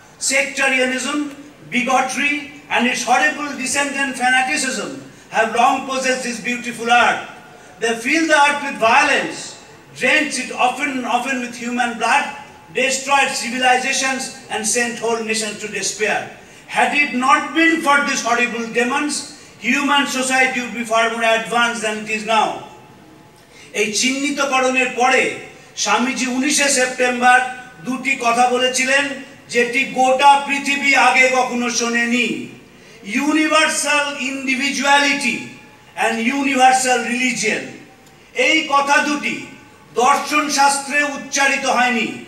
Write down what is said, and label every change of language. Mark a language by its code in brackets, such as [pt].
[en] Sectarianism, bigotry and its horrible descendant fanaticism have long possessed this beautiful earth. They fill the earth with violence, drench it often with human blood, destroyed civilization and sent whole nations to despair. Had it not been for these horrible demons, human society would be far more advanced than it is now. [bn] এই চিহ্নিতকরণের পরে Swamiji 19 September দুটি কথা বলেছিলেন যেটি গোটা পৃথিবী আগে কখনো শোনেনি। [en] universal individuality and universal religion, [bn] এই কথা দুটি দর্শন শাস্ত্রে উচ্চারিত হয়নি।